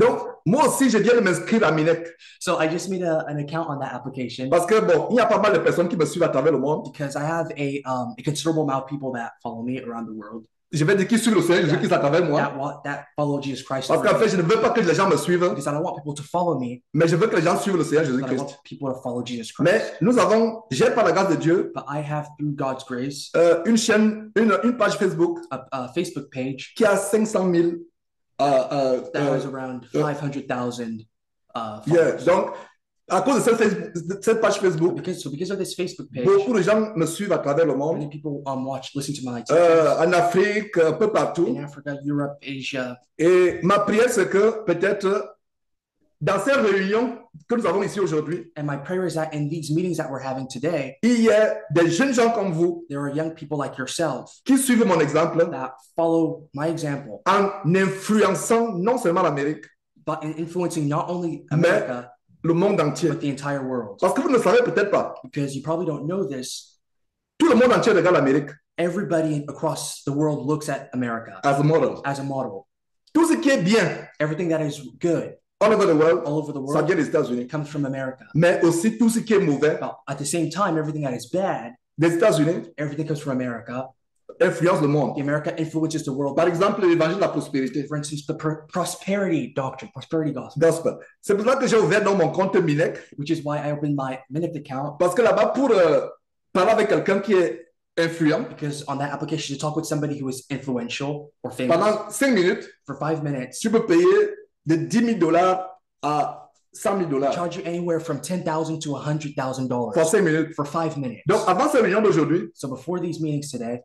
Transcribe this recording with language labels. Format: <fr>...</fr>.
<fr>Donc, moi aussi, je viens de m'inscrire à Minect.</fr> <en>So I just made an account on that application.</en> <fr>Parce que bon, il y a pas mal de personnes qui me suivent à travers le monde.</fr> <en>Because I have a considerable amount of people that follow me around the world.</en> <fr>Je vais dire qui suit le Seigneur Jésus Christ à travers moi.</fr> <en>That follow Jesus Christ.</en> <fr>Parce qu'en fait, je ne veux pas que les gens me suivent.</fr> <en>Because I don't want people to follow me.</en> <fr>Mais je veux que les gens suivent le Seigneur Jésus Christ.</fr> <en>I want people to follow Jesus Christ.</en> <fr>Mais nous avons, j'ai par la grâce de Dieu.</fr> <en>But I have through God's grace.</en> <fr>Une chaîne, une page Facebook.</fr> <en>A Facebook page.</en> <fr>Qui a 500 000.</fr> <en>That was around 500,000.</en> <fr>Yeah, donc. À cause de cette page Facebook,</fr> <en>because of this Facebook page,</en> <fr>beaucoup de gens me suivent à travers le monde.</fr> <en>Many people watch, listen to my teachings.</en> <fr>En Afrique, un peu partout.</fr> <en>In Africa, Europe, Asia.</en> <fr>Et ma prière, c'est que peut-être dans ces réunions que nous avons ici aujourd'hui,</fr> <en>and my prayer is that in these meetings that we're having today,</en> <fr>il y a des jeunes gens comme vous,</fr> <en>there are young people like yourself,</en> <fr>qui suivent mon exemple,</fr> <en>that follow my example,</en> <fr>en influençant non seulement l'Amérique,</fr> <en>but in influencing not only America.</en> <fr>Le monde entier.</fr> <en>But the entire world.</en> <fr>Parce que vous ne savez peut-être pas.</fr> <en>Because you probably don't know this.</en> <fr>Tout le monde entier regarde l'Amérique.</fr> <en>Everybody across the world looks at America. As a model. As a model.</en> <fr>Tout ce qui est bien.</fr> <en>Everything that is good. All over the world. All over the world.</en> <fr>Ça vient des États-Unis.</fr> <en>Comes from America.</en> <fr>Mais aussi tout ce qui est mauvais.</fr> <en>But at the same time, everything that is bad.</en> <fr>Des États-Unis.</fr> <en>Everything comes from America.</en> <fr>Influence le monde.</fr> <en>America influences the world.</en> <fr>Par exemple, l'évangile de la prospérité.</fr> <en>For instance, the prosperity doctrine, prosperity gospel. Gospel.</en> <fr>C'est pour ça que j'ai ouvert dans mon compte Minect.</fr> <en>Which is why I opened my Minect account.</en> <fr>Parce que là-bas, pour parler avec quelqu'un qui est influent.</fr> <en>Because on that application, to talk with somebody who is influential or famous.</en> <fr>Pendant 5 minutes.</fr> <en>For 5 minutes.</en> <fr>Tu peux payer de 10 000 dollars à 100 000 dollars.</fr> <en>Charge you anywhere from $10,000 to $100,000.</en> <fr>Pour 5 minutes.</fr> <en>For 5 minutes.</en> <fr>Donc, avant cette réunion d'aujourd'hui. So before these meetings today.</fr>